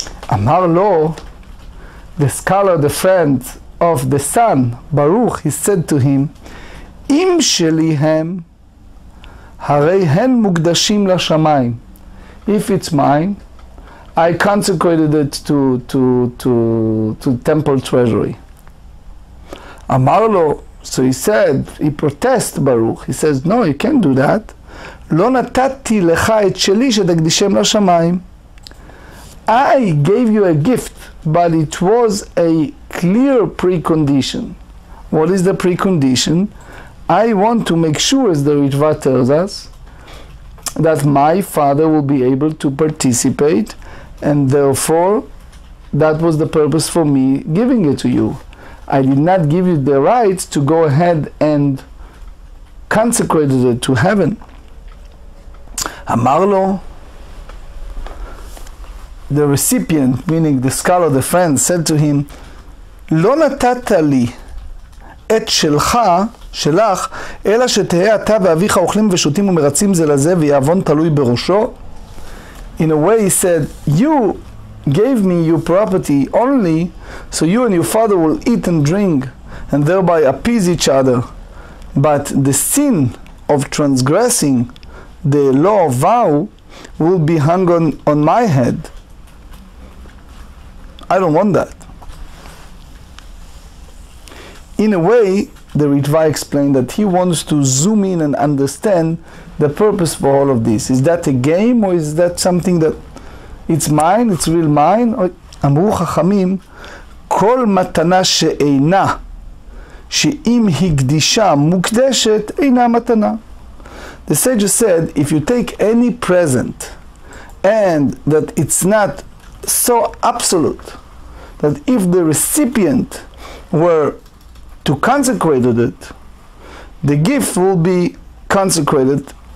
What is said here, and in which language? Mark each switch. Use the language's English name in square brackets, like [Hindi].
[Hebrew] Amar lo, [English] the scholar, the friend of the son, Baruch, he said to him, [Hebrew] Im shelihem, הרי הן מוקדשים לשמיים. [English] If it's mine, I consecrated it to temple treasury. [Hebrew] אמר לו, [English] so he said, he protest ברוך, he says, no, you can't do that. [Hebrew] לא נתתי לך את שלי שתקדישם לשמיים. [English] I gave you a gift, but it was a clear precondition. What is the precondition? I want to make sure, as the Ritva tells us, that my father will be able to participate, and therefore that was the purpose for me giving it to you. I did not give you the right to go ahead and consecrate it to heaven. [Hebrew] Amar lo, [English] the recipient, meaning the scholar, the friend, said to him, [Hebrew] לא נתת לי את שלך שלך, אלא שתהיה אתה ואביך אוכלים ושותים ומרצים זה לזה ויעבון תלוי בראשו. [English] In a way he said, you gave me your property only, so you and your father will eat and drink and thereby appease each other. But the sin of transgressing the law of vow will be hung on my head. I don't want that. In a way, the Ritva explained that he wants to zoom in and understand the purpose for all of this. Is that a game or is that something that it's mine, it's real mine? [Hebrew] אמרו חכמים, כל מתנה שאינה, שאם הקדישה מוקדשת, אינה מתנה. [English] The sages said, if you take any present and that it's not so absolute, that if the recipient were to consecrate it, the gift will be consecrated.